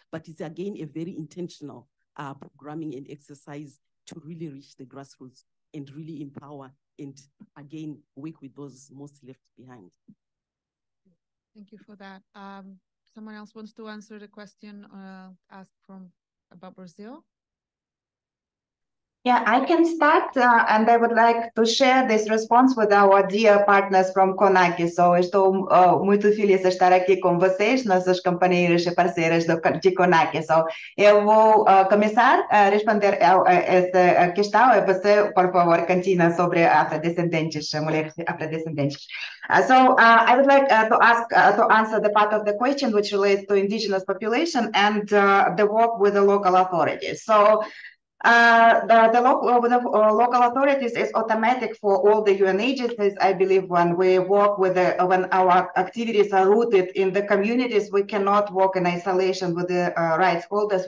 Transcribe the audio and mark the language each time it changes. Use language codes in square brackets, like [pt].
[en] But it's again a very intentional programming and exercise to really reach the grassroots and really empower and again work with those most left behind. Thank you for that. Someone else wants to answer the question asked from about Brazil? Yeah, I can start, and I would like to share this response with our dear partners from CONAC. [pt] So estou muito feliz de estar aqui com vocês, nossas companheiras e parceiras de CONAC. So eu vou começar a responder a essa questão. Você, por favor, continue sobre afrodescendentes, mulheres afrodescendentes. [en] So I would like to answer the part of the question which relates to indigenous population and the work with the local authorities. So the local authorities is automatic for all the UN agencies. I believe when we work with the, when our activities are rooted in the communities, we cannot work in isolation with the rights holders.